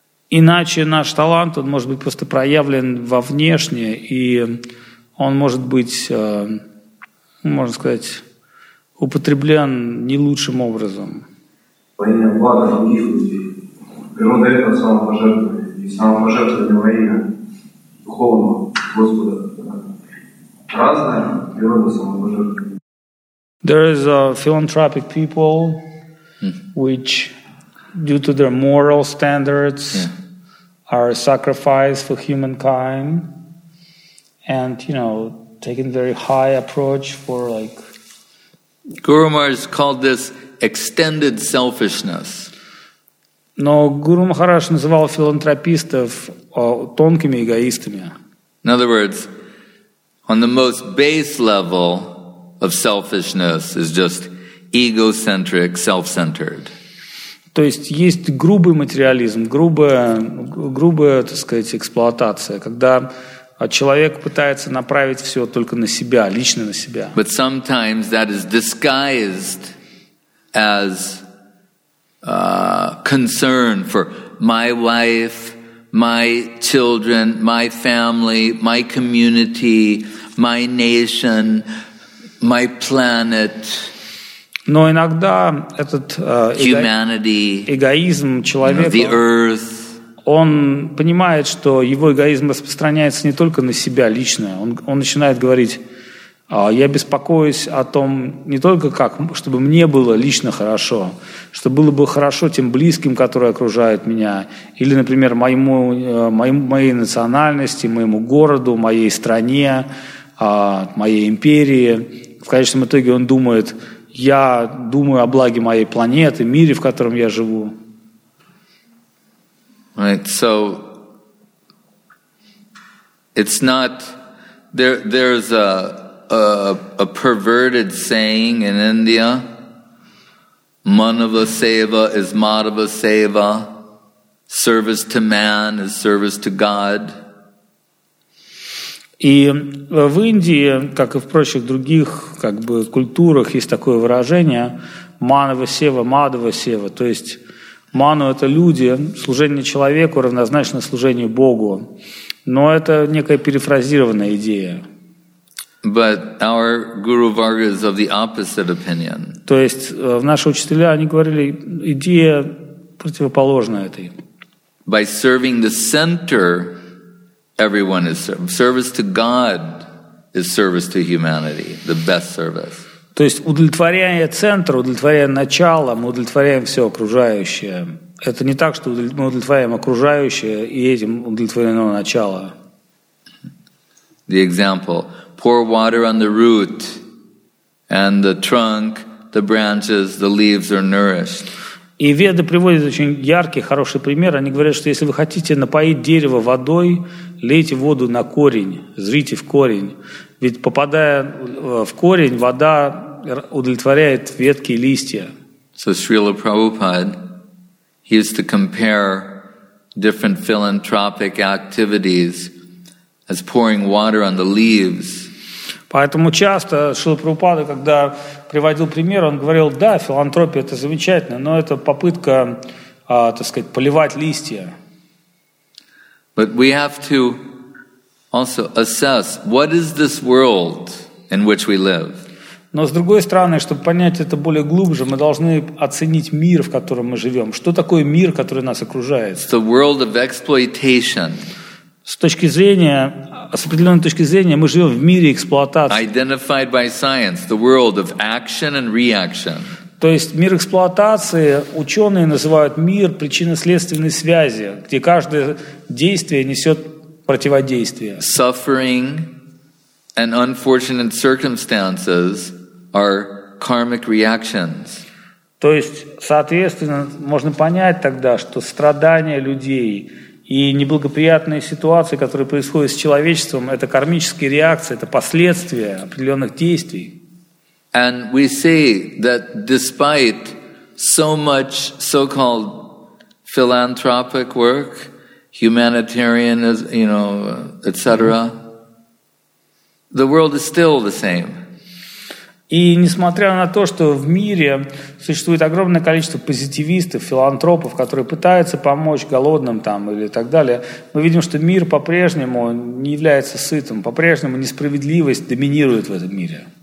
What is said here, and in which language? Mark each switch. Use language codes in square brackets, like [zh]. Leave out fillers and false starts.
[ru] Иначе наш талант, он может быть просто проявлен вовнешне, и он может быть, можно сказать, употреблен не лучшим образом. Во имя благ других людей. Природа этого самопожертвования и самопожертвования во имя Духовного Господа. Разная природа самопожертвования. [en] There is a philanthropic people which due to their moral standards are sacrificed for humankind and, you know, taking very high approach for, like... Guru Maharaj called this extended selfishness. [ru] Но Гуру Махарадж называл филантропистов тонкими эгоистами. [en] In other words, on the most base level of selfishness is just egocentric, self-centered. [ru] То есть есть грубый материализм, грубая, так сказать, эксплуатация, когда человек пытается направить все только на себя, лично на себя. [en] But sometimes that is disguised as concern for my wife, my children, my family, my community, my nation, my planet. [ru] Но иногда этот эгоизм человека, [en] you know, earth, [ru] он понимает, что его эгоизм распространяется не только на себя лично. Он начинает говорить, я беспокоюсь о том, не только как, чтобы мне было лично хорошо, чтобы было бы хорошо тем близким, которые окружают меня, или, например, моей национальности, моему городу, моей стране, моей империи. В конечном итоге он думает... Я думаю о благе моей планеты, мире, в котором я живу. [en] Right, so it's not there's a perverted saying in India: "Manava seva is madhava seva." Service to man is service to God. [ru] И в Индии, как и в прочих других, как бы, культурах, есть такое выражение «манава сева», «мадава сева». То есть «ману» — это люди, служение человеку равнозначно служению Богу. Но это некая перефразированная идея. [en] But our Guru Varga is of the opposite opinion. [ru] То есть наши учителя, они говорили, идея противоположна этой. [en] By serving the center, everyone is service to God is service to humanity, the best service. [ru] То есть удовлетворяя центр, удовлетворяя начало, мы удовлетворяем все окружающее. Это не так, что мы удовлетворяем окружающее и этим удовлетворено начало. [en] The example: pour water on the root, and the trunk, the branches, the leaves are nourished. [ru] И Веды приводят очень яркий, хороший пример. Они говорят, что если вы хотите напоить дерево водой, лейте воду на корень, зрите в корень. Ведь попадая в корень, вода удовлетворяет ветки и листья. [en] So Srila Prabhupada, he used to compare different philanthropic activities as pouring water on the leaves. [ru] Поэтому часто Шрила Прабхупада, когда приводил пример, он говорил, да, филантропия – это замечательно, но это попытка, так сказать, поливать листья. [en] But we have to also assess, what is this world in which we live? [ru] Но с другой стороны, чтобы понять это более глубже, мы должны оценить мир, в котором мы живем. Что такое мир, который нас окружает? [en] It's the world of exploitation. [ru] С точки зрения, с определенной точки зрения, мы живем в мире эксплуатации. [en] Identified by science, the world of action and reaction. [ru] То есть мир эксплуатации, ученые называют мир причинно-следственной связи, где каждое действие несет противодействие. [en] Suffering and unfortunate circumstances are karmic reactions. [ru] То есть, соответственно, можно понять тогда, что страдания людей и неблагоприятные ситуации, которые происходят с человечеством, это кармические реакции, это последствия определенных действий. [en] And we see that despite so much so-called philanthropic work, humanitarianism, you know, etc., the world is still the same. [ru] И несмотря на то, что в мире существует огромное количество позитивистов, филантропов, которые пытаются помочь голодным там или так далее, мы видим, что мир по-прежнему не является сытым, по-прежнему несправедливость доминирует в этом мире.